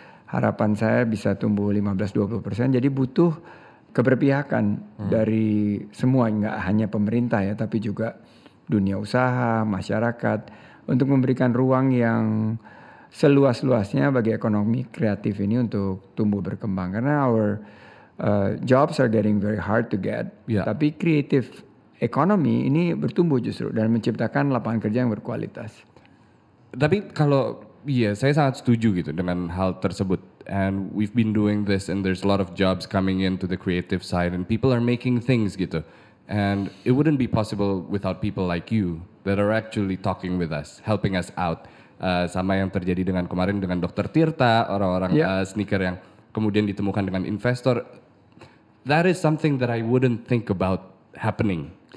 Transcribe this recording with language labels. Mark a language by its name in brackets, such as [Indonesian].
[Indonesian] Harapan saya bisa tumbuh 15-20%. Jadi butuh keberpihakan dari semua, enggak hanya pemerintah ya, tapi juga dunia usaha, masyarakat, untuk memberikan ruang yang seluas-luasnya bagi ekonomi kreatif ini untuk tumbuh berkembang. Karena [English] our jobs are getting very hard to get. Yeah. [Indonesian] Tapi kreatif ekonomi ini bertumbuh justru dan menciptakan lapangan kerja yang berkualitas. Tapi kalau, iya, saya sangat setuju gitu dengan hal tersebut. [English] And we've been doing this and there's a lot of jobs coming into the creative side and people are making things [Indonesian] gitu. [English] And it wouldn't be possible without people like you that are actually talking with us, helping us out. [Indonesian] Sama yang terjadi dengan kemarin dengan Dr. Tirta, orang-orang sneaker yang kemudian ditemukan dengan investor. [English] That is something that I wouldn't think about happening.